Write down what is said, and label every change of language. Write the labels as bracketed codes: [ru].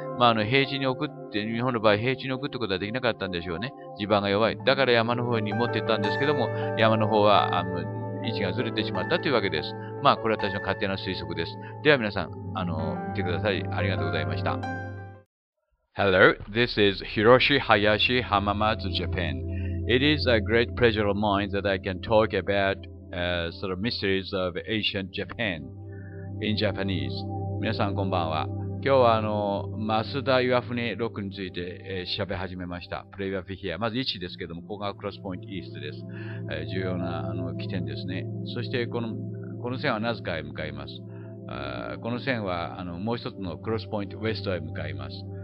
[ja] まあ平地に置くって、日本の場合平地に置くってことはできなかったんでしょうね。地盤が弱い。だから山の方に持ってったんですけども、山の方は、位置がずれてしまったというわけです。まあ、これは私の勝手な推測です。では皆さん、見てください。ありがとうございました。 [en] Hello, this is Hiroshi Hayashi Hamamatsu, Japan. It is a great pleasure of mine that I can talk about, sort of mysteries of ancient Japan in Japanese. [ja] 皆さん、こんばんは。今日はマスダ岩船ロックについて調べ始めました。プレビアフィヒア。まず位置ですけども、ここがクロスポイントイーストです。重要な起点ですね。そしてこの線はナズカへ向かいます。この線はもう一つのクロスポイントウェストへ向かいます。